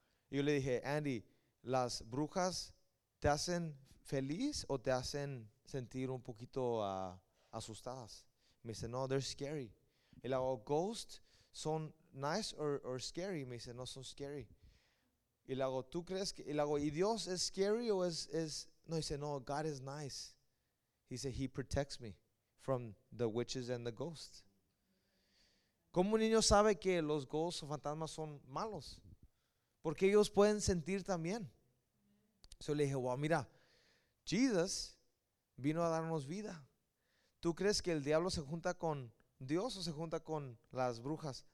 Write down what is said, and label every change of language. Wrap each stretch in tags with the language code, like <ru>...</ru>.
<es>Yo le dije, Andy, las brujas te hacen feliz o te hacen sentir un poquito asustadas. Me dice, no,</es> <en>they're scary.</en> <es>Y le hago, ghosts son</es> <en>nice or scary.</en> <es>Me dice, no, son scary. Y le hago, ¿tú crees que? Y le hago, ¿y Dios es scary o es</es> <en>No, he said, no, God is nice. He said, he protects me from the witches and the ghosts.</en> <es>¿Cómo un niño sabe que los ghosts o fantasmas son malos? Porque ellos pueden sentir también. So le dije, wow, mira, Jesus vino a darnos vida. ¿Tú crees que el diablo se junta con Dios o se junta con las brujas?</es>